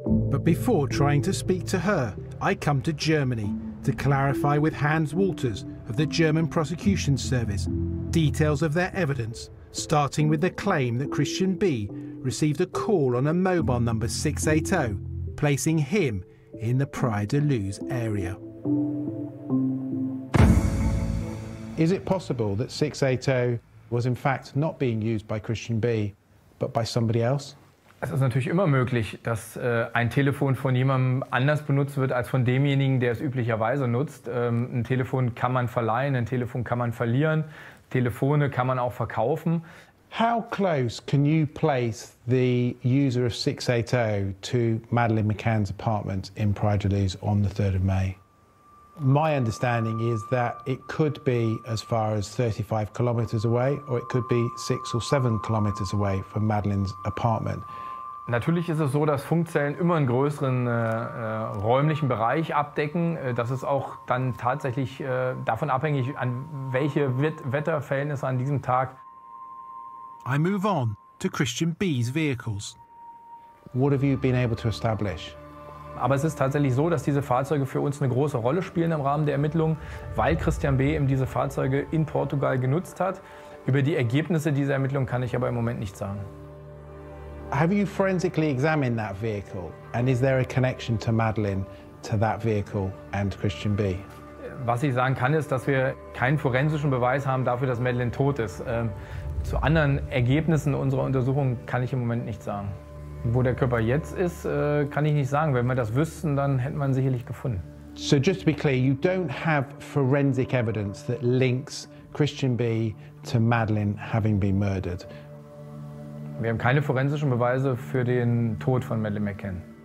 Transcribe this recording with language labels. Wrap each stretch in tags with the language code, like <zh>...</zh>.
<en>But before trying to speak to her, I come to Germany to clarify with Hans Walters of the German Prosecution Service details of their evidence, starting with the claim that Christian B received a call on a mobile number 680, placing him in the Praia da Luz area. Is it possible that 680 was in fact not being used by Christian B, but by somebody else?</en> <de>Es ist natürlich immer möglich, dass ein Telefon von jemandem anders benutzt wird als von demjenigen, der es üblicherweise nutzt. Ein Telefon kann man verleihen, ein Telefon kann man verlieren, Telefone kann man auch verkaufen.</de> <en>How close can you place the user of 680 to Madeleine McCann's apartment in Praia da Luz on the 3rd of May? My understanding is that it could be as far as 35 kilometers away, or it could be 6 or 7 kilometers away from Madeleine's apartment.</en> <de>Natürlich ist es so, dass Funkzellen immer einen größeren räumlichen Bereich abdecken. Das ist auch dann tatsächlich davon abhängig, an welche Wetterverhältnisse an diesem Tag.</de> <en>I move on to Christian B's vehicles. What have you been able to establish?</en> <de>Aber es ist tatsächlich so, dass diese Fahrzeuge für uns eine große Rolle spielen im Rahmen der Ermittlungen, weil Christian B. eben diese Fahrzeuge in Portugal genutzt hat. Über die Ergebnisse dieser Ermittlungen kann ich aber im Moment nichts sagen.</de> <en>Have you forensically examined that vehicle? And is there a connection to Madeleine, to that vehicle and Christian B.?</en> <de>Was ich sagen kann, ist, dass wir keinen forensischen Beweis haben dafür, dass Madeleine tot ist. Zu anderen Ergebnissen unserer Untersuchung kann ich im Moment nichts sagen. Wo der Körper jetzt ist, kann ich nicht sagen. Wenn wir das wüssten, dann hätten wir ihn sicherlich gefunden.</de> <en>So just to be clear, you don't have forensic evidence that links Christian B. to Madeleine having been murdered.</en> <de>Wir haben keine forensischen Beweise für den Tod von Madeleine McCann.</de>